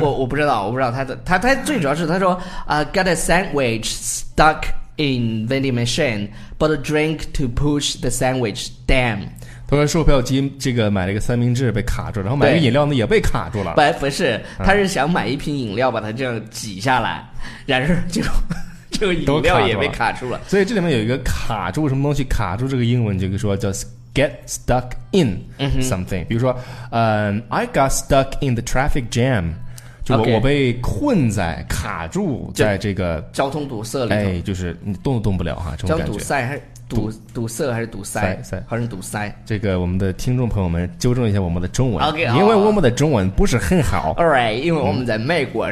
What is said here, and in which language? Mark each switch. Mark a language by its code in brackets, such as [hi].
[zh] 我不知道他最主要是他说 [en] got a sandwich stuck in vending machine, but a drink to push the sandwich down. [zh] 他说售票机这个买了一个三明治被卡住，然后买个饮料呢也被卡住了。不是，他是想买一瓶饮料把它这样挤下来，然而就饮料也被卡住了。所以这里面有一个卡住什么东西，卡住这个英文就是说叫 [en] get stuck in something。 [zh] 嗯， [en] 比如说I got stuck in the traffic jam,就 okay, [zh] 我被困在卡住在这个交通堵塞里头。哎，就是你动都动不了哈，这种感觉。交堵塞还堵塞还是堵塞？塞还是堵塞？这个我们的听众朋友们纠正一下我们的中文 [en] okay, [zh] 因为我们的中文不是很好。 [en] All right, [zh] 因为我们在美国